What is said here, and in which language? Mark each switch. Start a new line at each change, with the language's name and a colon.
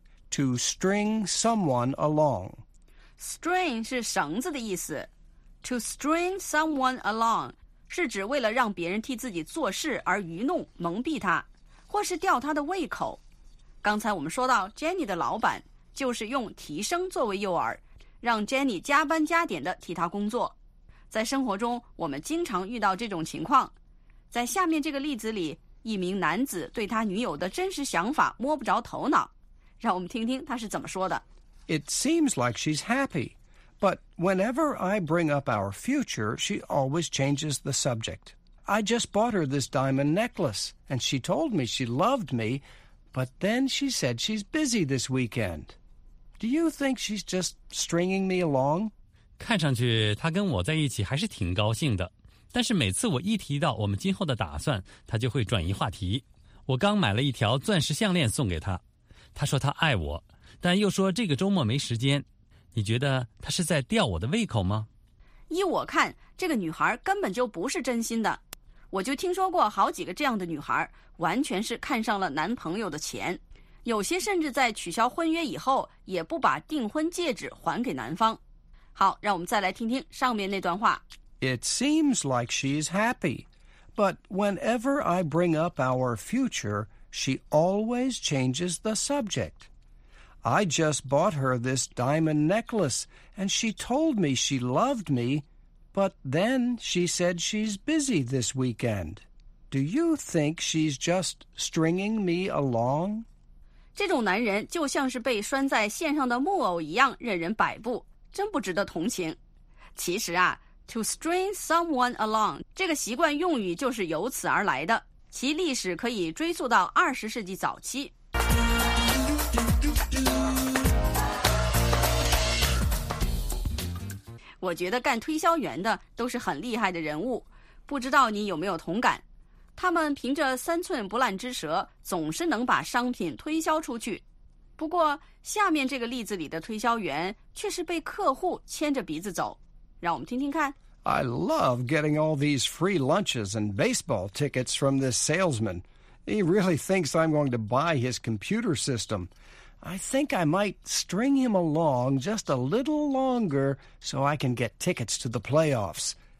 English: To string someone along.
Chinese: String 是绳子的意思。
English: To string someone along
Chinese: 是指为了让别人替自己做事而愚弄、蒙蔽他。或是吊他的胃口。刚才我们说到 Jenny 的老板就是用提升作为诱饵，让 Jenny 加班加点的替他工作。在生活中我们经常遇到这种情况。在下面这个例子里，一名男子对他女友的真实想法摸不着头脑，让我们听听他是怎么说的。
English: It seems like she's happy, but whenever I bring up our future, she always changes the subject. I just bought her this diamond necklace, and she told me she loved me, but then she said she's busy this weekend. Do you think she's just stringing me along?
Chinese: 看上去她跟我在一起还是挺高兴的，但是每次我一提到我们今后的打算，她就会转移话题。我刚买了一条钻石项链送给她，她说她爱我，但又说这个周末没时间。你觉得她是在吊我的胃口吗？依我看，这个女孩根本就不是真心的。我就听说过好几个这样的女孩，完全是看上了男朋友的钱，有些甚至在取消婚约以后也不把订婚戒指还给男方。好，让我们再来听听上面那段话。
English: It seems like she is happy, but whenever I bring up our future, she always changes the subject. I just bought her this diamond necklace, and she told me she loved me, but then she said she's busy this weekend. Do you think she's just stringing me along?
Chinese: 这种男人就像是被拴在线上的木偶一样任人摆布，真不值得同情。其实啊 ,
English: to string someone along,
Chinese: 这个习惯用语就是由此而来的，其历史可以追溯到20世纪早期。我觉得干推销员的都是很厉害的人物，不知道你有没有同感，他们凭着三寸不烂之舌，总是能把商品推销出去。不过下面这个例子里的推销员却是被客户牵着鼻子走，让我们听听看。
English: I love getting all these free lunches and baseball tickets from this salesman. He really thinks I'm going to buy his computer system. I think I might string him along just a little longer so I can get tickets to the playoffs.